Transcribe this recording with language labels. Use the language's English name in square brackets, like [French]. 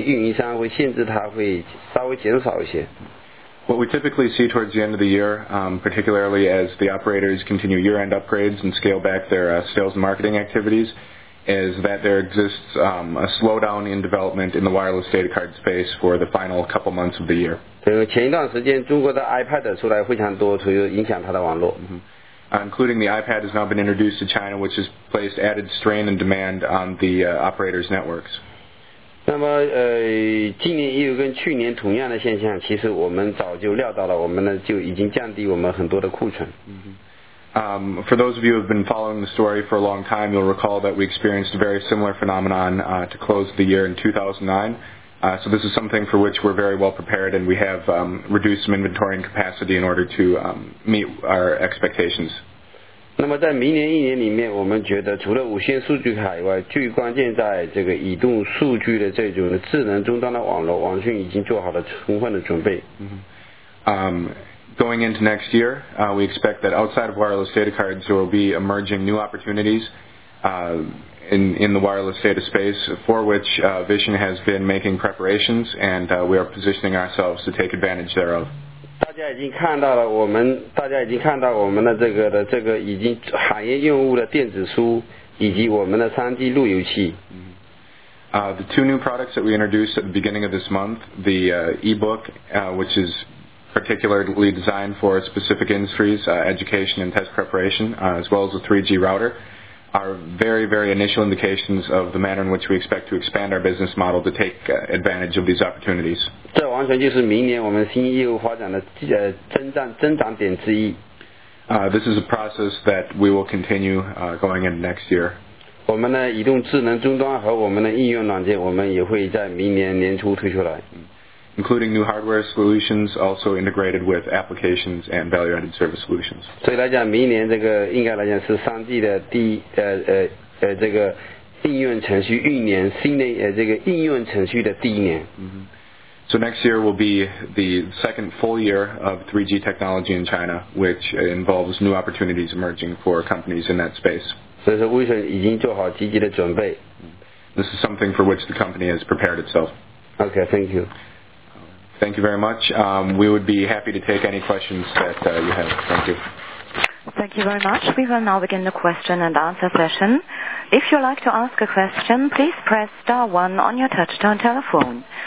[Chinese] 第四季度无线数据卡在中国来讲，这个运营商的网络建设还是不断的在往上，它的销量，它的量可能会运营商会限制它会稍微减少一些。 [English] What we typically see towards the end of the year, particularly as the operators continue year-end upgrades and scale back their sales and marketing activities, is that there exists a slowdown in development in the wireless data card space for the final couple months of the year. [Chinese] 前一段时间中国的 iPad 出来非常多，所以影响它的网络。 [English] Including the iPad has now been introduced to China, which has placed added strain and demand on the operators' networks. [Chinese] 那么今年也有跟去年同样的现象，其实我们早就料到了，我们呢就已经降低我们很多的库存。 [English] For those of you who have been following the story for a long time, you'll recall that we experienced a very similar phenomenon to close the year in 2009. So this is something for which we're very well prepared, and we have reduced some inventory and capacity in order to meet our expectations. [Chinese] 那么在明年一年里面，我们觉得除了无线数据卡以外，最关键在这个移动数据的这种智能终端的网络，网讯已经做好了充分的准备。 [English] Going into next year, we expect that outside of wireless data cards, there will be emerging new opportunities in the wireless data space for which Vision has been making preparations and we are positioning ourselves to take advantage thereof. [Chinese] 大家已经看到了大家已经看到我们的这个已经行业用户的电子书以及我们的 3D 路由器。 [English] The two new products that we introduced at the beginning of this month, the e-book, which is... particularly designed for specific industries, education and test preparation, as well as a 3G router, are very, very initial indications of the manner in which we expect to expand our business model to take advantage of these opportunities. [Chinese] 这完全就是明年我们新业务发展的增长点之一。 [English] This is a process that we will continue going into next year. [Chinese] 我们的移动智能终端和我们的应用软件，我们也会在明年年初推出来。 [English] Including new hardware solutions, also integrated with applications and value-added service solutions. [Chinese] 所以来讲，明年这个应该来讲是 3G 的第这个应用程序一年，新的这个应用程序的第一年。 [English] So next year will be the second full year of 3G technology in China, which involves new opportunities emerging for companies in that space. [Chinese] 所以说，微软已经做好积极的准备。 [English] This is something for which the company has prepared itself. Okay, thank you. Thank you very much. We would be happy to take any questions that you have. Thank you. Thank you very much. We will now begin the question and answer session. If you'd like to ask a question, please press star 1 on your touchtone telephone.